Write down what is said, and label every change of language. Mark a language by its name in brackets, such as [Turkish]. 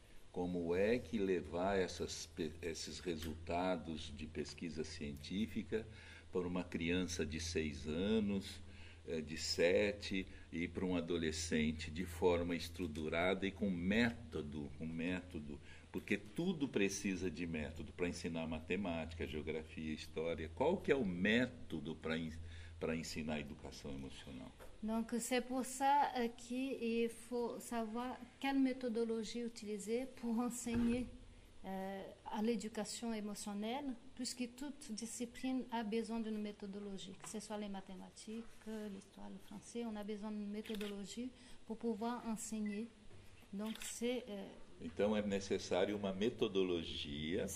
[Portuguese] Como é que levar esses resultados de pesquisa científica para uma criança de 6 anos, de 7, e para um adolescente de forma estruturada e com método, porque tudo precisa de método para ensinar matemática, geografia, história. Qual que é o método para ensinar educação emocional? [French] Donc c'est pour ça qu'il faut savoir quelle méthodologie utiliser pour enseigner à l'éducation émotionnelle, puisque toute discipline a besoin d'une méthodologie, que ce soit les mathématiques, l'histoire, le français, on a besoin d'une méthodologie pour pouvoir enseigner. Donc c'est... [Portuguese] Então é necessário uma metodologia